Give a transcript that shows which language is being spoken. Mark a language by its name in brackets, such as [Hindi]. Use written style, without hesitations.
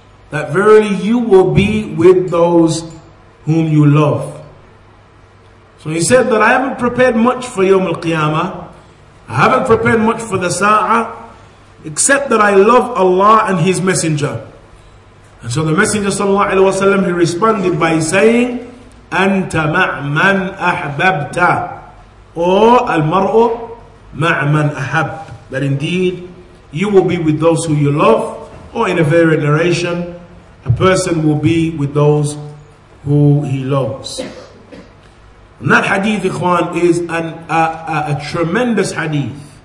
[English] That verily you will be with those whom you love. So he said that I haven't prepared much for يوم القيامة. I haven't prepared much for the sa'ah, except that I love Allah and His Messenger. And so the Messenger sallallahu alayhi wa sallam, he responded by saying, [Arabic] أنت مع من أحببت [English] or [Arabic] المرء مع من أحب. [English] That indeed you will be with those who you love, or in a varied narration, a person will be with those who he loves. And that hadith, ikhwan, is a tremendous hadith.